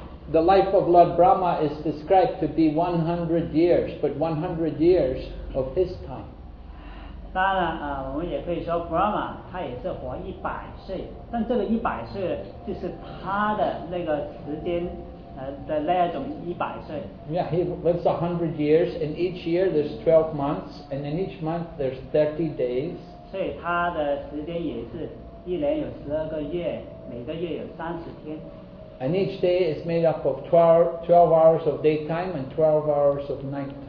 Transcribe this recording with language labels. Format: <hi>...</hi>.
<en>the life of Lord Brahma is described to be 100 years, but 100 years of his time.</en> <zh>当然，我们也可以说 Brahma 他也是活一百岁，但这个一百岁就是他的那个时间的那种一百岁。</zh> <en>Yeah, he lives 100 years, and each year there's 12 months, and in each month there's 30 days.</en> <zh>所以他的时间也是一年有12个月，每个月有30天。</zh> <en>And each day is made up of 12 hours of daytime and 12 hours of night.</en>